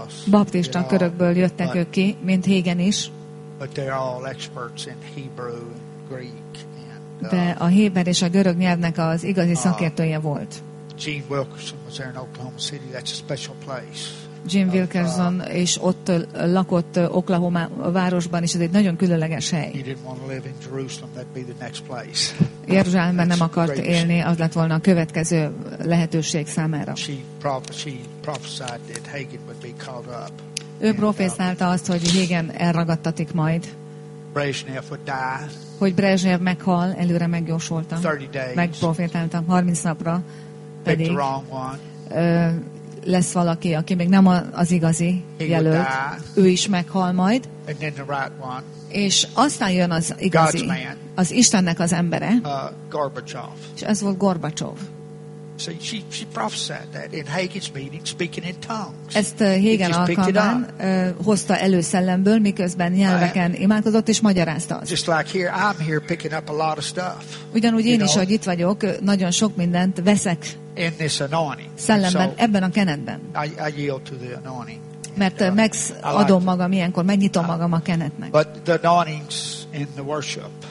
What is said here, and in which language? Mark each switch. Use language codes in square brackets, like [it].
[hu] Baptista körökből jöttek ők ki, mint Hagen is. [en] But they're all experts in Hebrew and Greek. [hu] De a héber és a görög nyelvnek az igazi szakértője volt. [en] Gene Wilkerson was there in Oklahoma City. That's a special place. [hu] Gene Wilkerson is ott lakott Oklahoma városban, és ez egy nagyon különleges hely. [en] He didn't want to live in Jerusalem. That'd be the next place. [hu] Jeruzsálemben nem akart élni, az lett volna a következő lehetőség számára. [en] She prophesied that Hagen would be called up. [hu] Ő profészálta azt, hogy Hagen elragadtatik majd. [en] Brezhnev would die. [hu] Hogy Brezhnev meghal, előre megjósolta. Megprofétálta 30 napra. Pedig [en] the wrong one. [hu] Lesz valaki, aki még nem az igazi jelölt. Ő is meghal majd. [en] And then the right one. [hu] És aztán jön az igazi. [en] God's man. [hu] Az Istennek az embere. [en] Gorbachev. [hu] És ez volt Gorbachev. [en] See, she prophesied that in Hagen's meeting, speaking in tongues. [hu] Ezt Hagen alkalmán hozta elő szellemből, miközben nyelveken imádkozott és magyarázta azt. [en] Just like here, I'm here picking up a lot of stuff. [hu] Ugyanúgy én is, hogy itt vagyok, nagyon sok mindent veszek [en] in this anointing. [hu] Szellemben, so, ebben a kenetben. [en] I yield to the anointing. [hu] Mert megadom magam ilyenkor, megnyitom magam a kenetnek. [en] But the anointing's in the worship.